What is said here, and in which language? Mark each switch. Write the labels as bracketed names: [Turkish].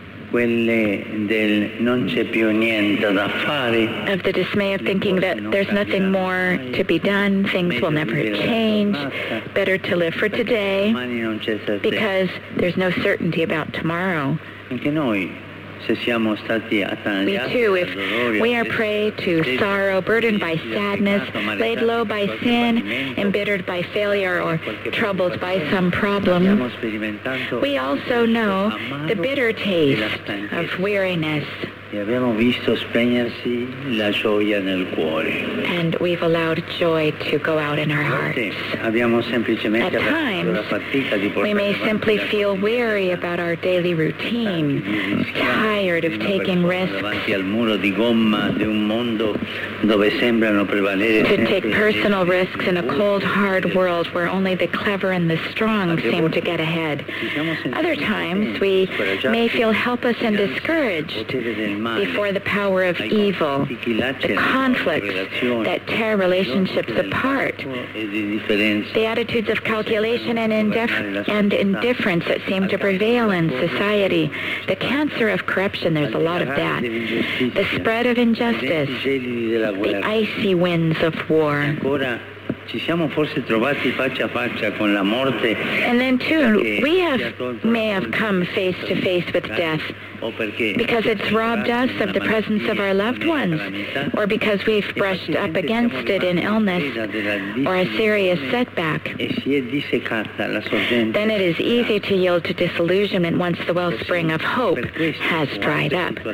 [Italian] quelle del non c'è più niente da fare, [English] of the dismay of thinking that there's nothing more to be done, things will never change, better to live for today because there's no certainty about tomorrow. [Italian] Anche noi, se siamo stati [English] we too, if we are prey to sorrow, burdened by sadness, laid low by sin, embittered by failure, or troubled by some problem, we also know the bitter taste of weariness [Italian] E abbiamo visto spegnersi la gioia nel cuore. [English] And we've allowed joy to go out in our hearts. [Italian] Abbiamo semplicemente [English] At times, [Italian] fatica di [English] we may simply feel weary about our daily routine, tired of taking risks, [Italian] al muro di gomma di un mondo dove sembrano prevalere [English] to take personal risks in a cold, hard world where only the clever and the strong seem to get ahead. Other times, we may feel helpless and discouraged before the power of evil, the conflicts that tear relationships apart, the attitudes of calculation and indifference that seem to prevail in society, the cancer of corruption, there's a lot of that, the spread of injustice, the icy winds of war. [Italian] Ci siamo forse trovati faccia a faccia con la morte. [English] And then too, we have may have come face to face with death because it's robbed us of the presence of our loved ones, or because we've brushed up against it in illness or a serious setback. Then it is easy to yield to disillusionment once the wellspring of hope has dried up.